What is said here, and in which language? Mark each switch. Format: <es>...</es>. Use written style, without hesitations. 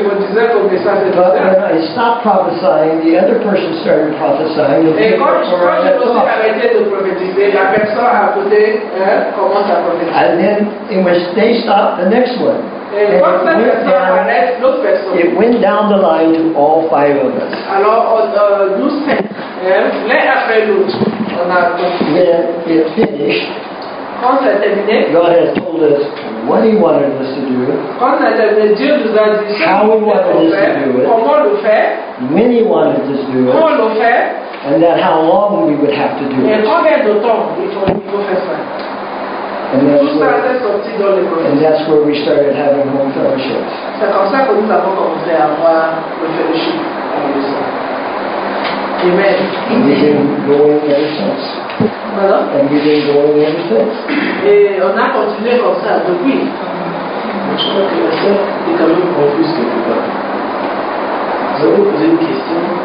<en>But when I stopped prophesying, the other person started prophesying.</en> <fr>Et quand je me suis arrêté de prophétiser, la personne à côté commence à prophétiser.</fr> <en>And then it was, they stopped the next one. It went down the line to all five of us.</en> <fr>Alors, l'un après l'autre, on a.</fr> <en>When it finished.</en> <fr>Quand ça a terminé,</fr> <en>God has told us what He wanted us to do.</en> <fr>Quand ça a terminé, Dieu nous a dit</fr> <en>how He wanted us</en> <fr>faire,</fr> <en>to do it.</en> <fr>Comment le faire,</fr> <en>when He wanted us to do</en> <fr>comment Le faire,</fr> <en>and that how long we would have to do</en> <fr>et Et combien de temps il faut faire ça.</fr> <en>And</en> <fr>tout ça a sorti dans les prophètes.</fr> <en>And that's where we started having home fellowships.</en> <fr>C'est comme ça que nous avons commencé à avoir le fellowship avec le Saint.</fr> <en>Amen. And we've been going ever since. And we've been going ever since.</en> <fr>Et on a continué comme ça depuis. Je crois que la sœur est quand même confuse quelque part. Vous avez posé une question.</fr>